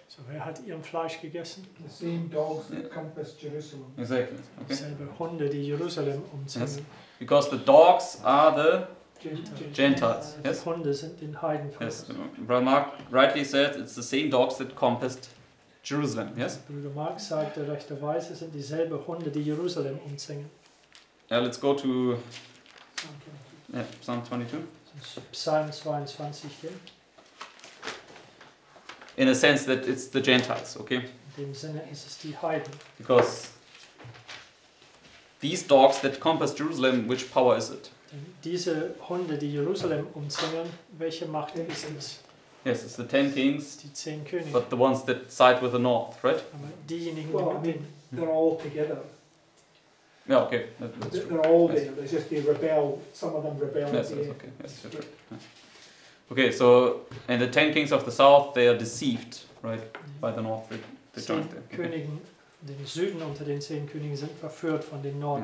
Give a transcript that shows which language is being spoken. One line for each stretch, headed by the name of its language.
German: So wer hat ihrem Fleisch gegessen?
English: The same dogs that come past Jerusalem. Exactly. Okay.
German: Selbe Hunde, die Jerusalem umziehen.
English: Yes. Because the dogs are the Gentiles. Yes.
German: Die Hunde sind den Heiden.
English: Yes. Brother Mark rightly said it's the same dogs that come past Jerusalem. Yes.
German: Bruder Mark sagte rechterweise, sind dieselbe Hunde, die Jerusalem umziehen.
English: Yeah, let's go to Psalm 22.
German: Psalm 22 gehen.
English: In a sense that it's the Gentiles, okay?
German: In dem Sinne ist es die Heiden.
English: Because these dogs that compass Jerusalem, which power is it?
German: Diese Hunde, die Jerusalem umzingeln, welche Macht ist es?
English: Yes, it's the ten kings.
German: Die zehn Könige.
English: But the ones that side with the north, right?
German: Aber diejenigen,
English: well, die they're all together. Yeah, okay. That's true. They're all there. It's just they rebel. Some of them rebel. Yes, that's okay. Yes, sure. Okay, so, and the ten kings of the south, they are deceived, right, by the north, they joined them. Okay.
German: Königen, den Süden unter den zehn Königen sind verführt von den Norden